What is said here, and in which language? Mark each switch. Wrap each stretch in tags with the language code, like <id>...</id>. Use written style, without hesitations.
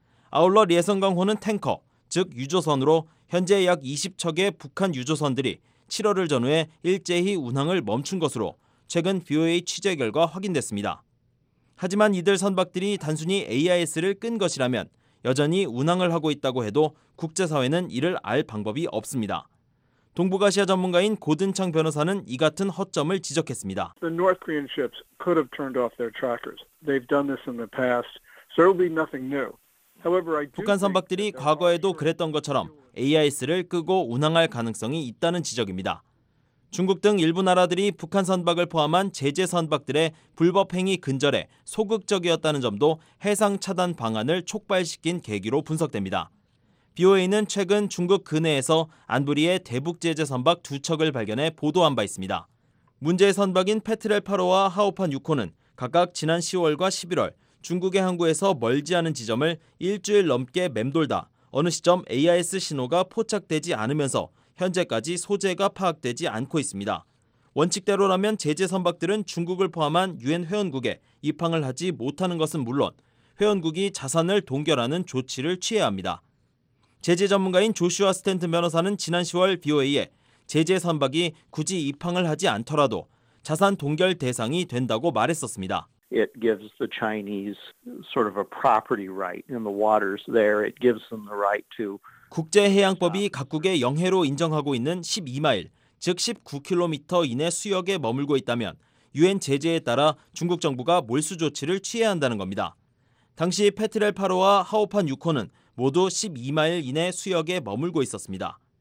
<ko>아울러 예성강호는 탱커, 즉 유조선으로 현재 약 20척의 북한 유조선들이 7월을 전후에 일제히 운항을 멈춘 것으로 최근 VOA 취재 결과 확인됐습니다. 하지만 이들 선박들이 단순히 AIS를 끈 것이라면 여전히 운항을 하고 있다고 해도 국제사회는 이를 알 방법이 없습니다. 동북아시아 전문가인 고든창 변호사는 이 같은 허점을 지적했습니다.</ko> <en>The North Korean ships could have turned off their trackers. They've done this in the past, so it'll be nothing new.</en> <ko>북한 선박들이 과거에도 그랬던 것처럼 AIS를 끄고 운항할 가능성이 있다는 지적입니다. 중국 등 일부 나라들이 북한 선박을 포함한 제재 선박들의 불법 행위 근절에 소극적이었다는 점도 해상 차단 방안을 촉발시킨 계기로 분석됩니다. BOA는 최근 중국 근해에서 안보리의 대북 제재 선박 두 척을 발견해 보도한 바 있습니다. 문제의 선박인 페트렐 8호와 하오판 6호는 각각 지난 10월과 11월 중국의 항구에서 멀지 않은 지점을 일주일 넘게 맴돌다 어느 시점 AIS 신호가 포착되지 않으면서 현재까지 소재가 파악되지 않고 있습니다. 원칙대로라면 제재 선박들은 중국을 포함한 유엔 회원국에 입항을 하지 못하는 것은 물론 회원국이 자산을 동결하는 조치를 취해야 합니다. 제재 전문가인 조슈아 스탠트 변호사는 지난 10월 BOA에 제재 선박이 굳이 입항을 하지 않더라도 자산 동결 대상이 된다고 말했었습니다.</ko> <en>It gives the Chinese sort of a property right in the waters there. It gives them the right to</en> <ko>국제해양법이 각국의 영해로 인정하고 있는 12마일, 즉 19km 이내 수역에 머물고 있다면 유엔 제재에 따라 중국 정부가 몰수 조치를 취해야 한다는 겁니다. 당시 페트렐 8호와 하오판 6호는 모두 12마일 이내 수역에 머물고 있었습니다.</ko>